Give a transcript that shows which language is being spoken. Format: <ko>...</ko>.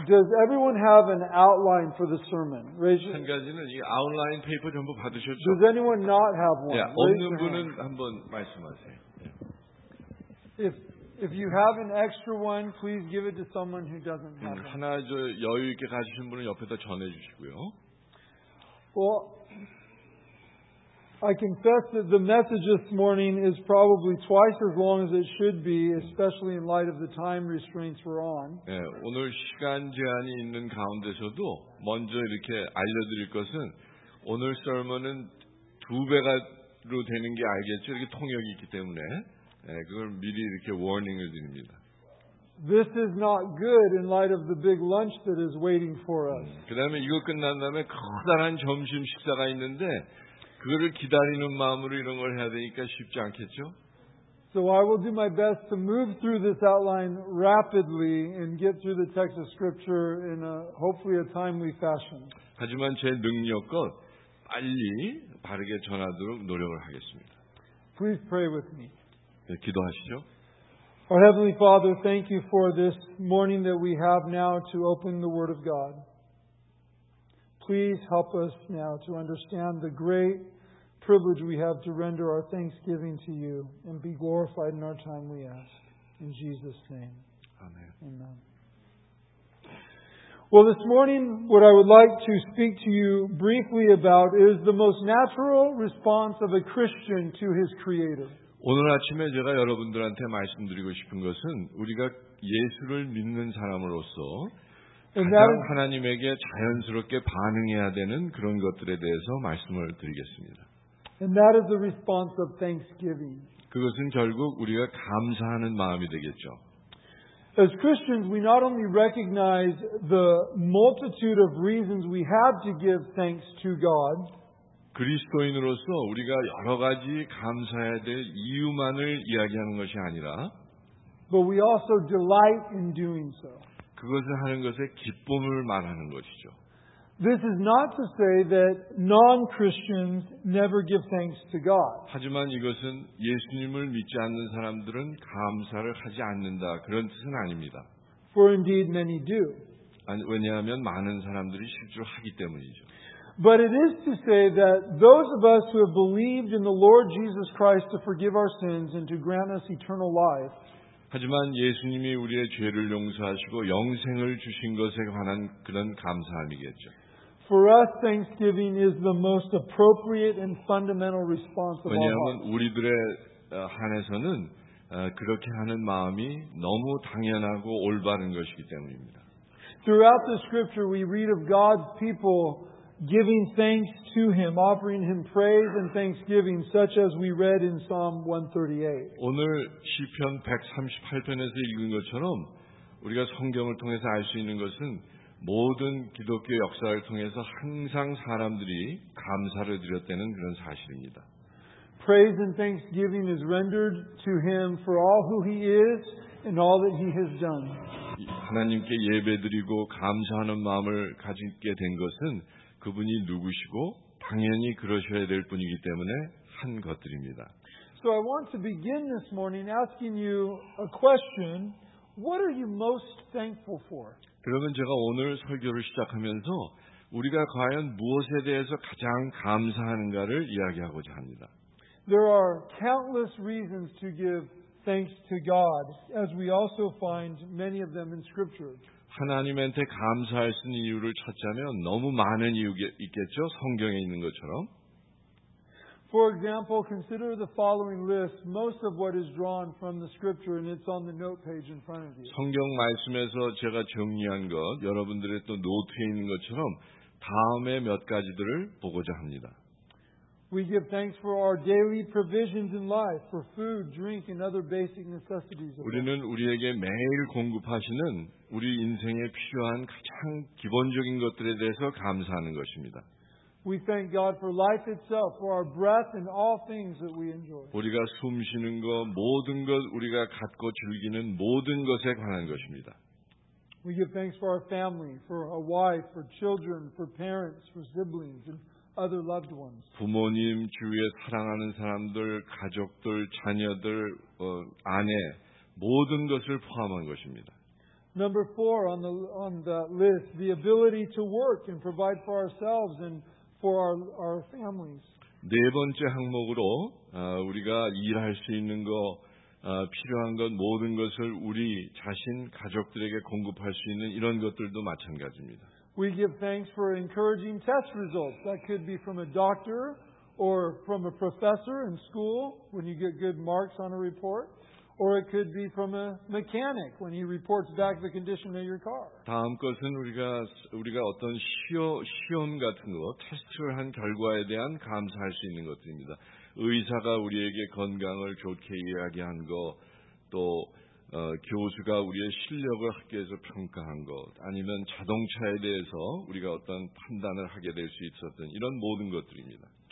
<en>Does everyone have an outline for the sermon? Raise your hand.</en> <ko>한 가지는 이 아웃라인 페이퍼 전부 받으셨죠?</ko> <en>Does anyone not have one?</en> <ko>예, 없는 분은 한번 말씀하세요.</ko> <en>If you have an extra one, please give it to someone who doesn't have one.</en> <ko>하나 저 여유 있게 가지신 분은 옆에다 전해 주시고요.</ko> <en>I confess that the message this morning is probably twice as long as it should be, especially in light of the time restraints we're on.</en> <ko>예, 오늘 시간 제한이 있는 가운데서도 먼저 이렇게 알려드릴 것은 오늘 설문은 두 배가로 되는 게 알겠죠? 이렇게 통역이 있기 때문에 예, 그걸 미리 이렇게 warning을 드립니다.</ko> <en>This is not good in light of the big lunch that is waiting for us.</en> <ko>그다음에 이거 끝난 다음에 커다란 점심 식사가 있는데. 그거를 기다리는 마음으로 이런 걸 해야 되니까 쉽지 않겠죠?</ko> <en>So I will do my best to move through this outline rapidly and get through the text of scripture in a hopefully a timely fashion.</en> <ko>하지만 제 능력껏 빨리 바르게 전하도록 노력을 하겠습니다.</ko> <en>Please pray with me.</en> <ko>네, 기도하시죠.</ko> <en>Our Heavenly Father, thank you for this morning that we have now to open the Word of God. Please help us now to understand the great privilege we have to render our thanksgiving to you and be glorified in our time, we ask. In Jesus' name. Amen. Amen. Well, this morning, what I would like to speak to you briefly about is the most natural response of a Christian to his Creator.</en> <ko>오늘 아침에 제가 여러분들한테 말씀드리고 싶은 것은 우리가 예수를 믿는 사람으로서 가장 하나님에게 자연스럽게 반응해야 되는 그런 것들에 대해서 말씀을 드리겠습니다.</ko> <en>And that is the response of thanksgiving.</en> <ko>그것은 결국 우리가 감사하는 마음이 되겠죠.</ko> <en>As Christians, we not only recognize the multitude of reasons we have to give thanks to God.</en> <ko>그리스도인으로서 우리가 여러 가지 감사해야 될 이유만을 이야기하는 것이 아니라</ko> <en>but we also delight in doing so.</en> <ko>그것을 하는 것에 기쁨을 말하는 것이죠.</ko> <en>This is not to say that non-Christians never give thanks to God.</en> <ko>하지만 이것은 예수님을 믿지 않는 사람들은 감사를 하지 않는다 그런 뜻은 아닙니다.</ko> <en>For indeed many do.</en> <ko>왜냐하면 많은 사람들이 실제로 하기 때문이죠.</ko> <en>But it is to say that those of us who have believed in the Lord Jesus Christ to forgive our sins and to grant us eternal life.</en> <ko>하지만 예수님이 우리의 죄를 용서하시고 영생을 주신 것에 관한 그런 감사함이겠죠.</ko> <en>For us, thanksgiving is the most appropriate and fundamental response of all.</en> <ko>왜냐하면 우리들의 한에서는 그렇게 하는 마음이 너무 당연하고 올바른 것이기 때문입니다.</ko> <en>Throughout the Scripture, we read of God's people giving thanks to Him, offering Him praise and thanksgiving, such as we read in Psalm 138.</en> <ko>오늘 시편 138편에서 읽은 것처럼 우리가 성경을 통해서 알 수 있는 것은 모든 기독교 역사를 통해서 항상 사람들이 감사를 드렸다는 그런 사실입니다.</ko> <en>Praise and thanksgiving is rendered to Him for all who He is and all that He has done.</en> <ko>하나님께 예배드리고 감사하는 마음을 가지게 된 것은 그분이 누구시고 당연히 그러셔야 될 분이기 때문에 한 것들입니다.</ko> <en>So I want to begin this morning asking you a question. What are you most thankful for?</en> <ko>그러면 제가 오늘 설교를 시작하면서 우리가 과연 무엇에 대해서 가장 감사하는가를 이야기하고자 합니다.</ko> <en>There are countless reasons to give thanks to God, as we also find many of them in Scripture.</en> <ko>하나님한테 감사할 수 있는 이유를 찾자면 너무 많은 이유가 있겠죠, 성경에 있는 것처럼.</ko> <en>For example, consider the following list. Most of what is drawn from the Scripture, and it's on the note page in front of you.</en> <ko>성경 말씀에서 제가 정리한 것, 여러분들의 또 노트에 있는 것처럼 다음에 몇 가지들을 보고자 합니다.</ko> <en>We give thanks for our daily provisions in life, for food, drink, and other basic necessities.</en> <ko>우리는 우리에게 매일 공급하시는 우리 인생에 필요한 가장 기본적인 것들에 대해서 감사하는 것입니다.</ko> <en>We thank God for life itself, for our breath and all things that we enjoy.</en> <ko>우리가 숨 쉬는 것, 모든 것, 우리가 갖고 즐기는 모든 것에 관한 것입니다.</ko> <en>We give thanks for our family, for a wife, for children, for parents, for siblings, and other loved ones.</en> <ko>부모님, 주위에 사랑하는 사람들, 가족들, 자녀들, 아내, 모든 것을 포함한 것입니다.</ko> <en>Number four on the list, the ability to work and provide for ourselves and for our families.</en> <ko>네 번째 항목으로 우리가 일할 수 있는 거, 필요한 것, 모든 것을 우리 자신, 가족들에게 공급할 수 있는 이런 것들도 마찬가지입니다.</ko> <en>We give thanks for encouraging test results. That could be from a doctor or from a professor in school when you get good marks on a report. Or it could be from a mechanic when he reports back the condition of your car.</en> <ko>다음 것은 우리가 어떤 시험 같은 거, 테스트를 한 결과에 대한 감사할 수 있는 것들입니다. 의사가 우리에게 건강을 좋게 이야기한 거, 또 교수가 우리의 실력을 학교에서 평가한 것, 아니면 자동차에 대해서 우리가 어떤 판단을 하게 될 수 있었던 이런 모든 것들입니다.</ko>